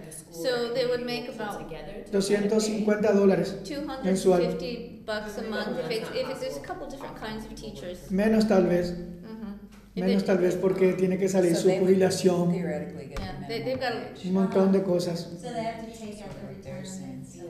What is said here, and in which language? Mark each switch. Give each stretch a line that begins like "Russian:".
English: So they would make about
Spanish: $250 mensual.
English: $250 a month if it's there's a couple different kinds of teachers.
Spanish: Menos tal vez. Menos tal vez porque tiene que salir su jubilación.
English: They've got
Spanish: un montón de cosas.
English: So they have to take out the retirement.